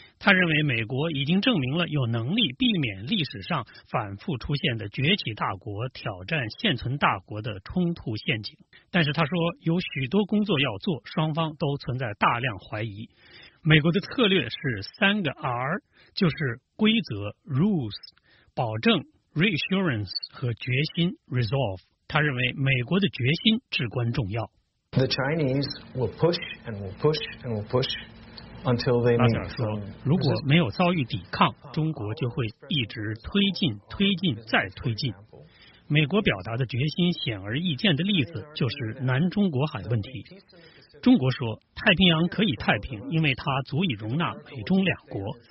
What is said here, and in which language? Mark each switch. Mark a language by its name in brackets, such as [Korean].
[Chinese] 他认为美国已经证明了有能力避免历史上反复出现的崛起大国挑战现存大国的冲突陷阱，但是他说有许多工作要做，双方都存在大量怀疑。美国的策略是3个 R， 就是规则 rules、 保证 reassurance 和决心 resolve。他认为美国的决心至关重要。 [English] The Chinese will push and will push and will push until they meet。 [Chinese] 拉塞尔说，如果没有遭遇抵抗，中国就会一直推进、推进、再推进。美国表达的决心显而易见的例子就是南中国海问题。中国说，太平洋可以太平，因为它足以容纳美中两国。